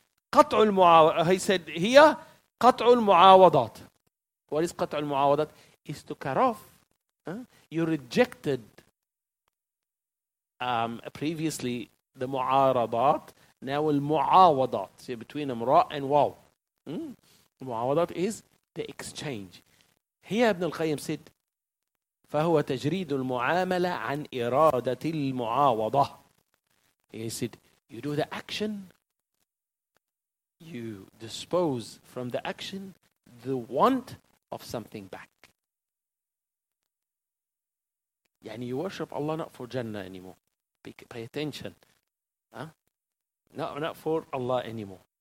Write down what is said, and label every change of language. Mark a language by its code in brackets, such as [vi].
[en] Qat'u al-mu'awadat. He said here, qat'u al-mu'awadat. What is qat'u al-mu'awadat? Is to cut off. You rejected previously the mu'aradat, now the mu'awadat, see, between ra and waw. Mu'awadat is the exchange. Here Ibn al-Qayyim said, [ar] فهو تجريد المعاملة عن إرادة المعاوضة. [en] He said, you do the action, you dispose from the action the want of something back. [ar] يعني [en] you worship Allah not for Jannah anymore. Pay attention. Huh? Not for Allah anymore.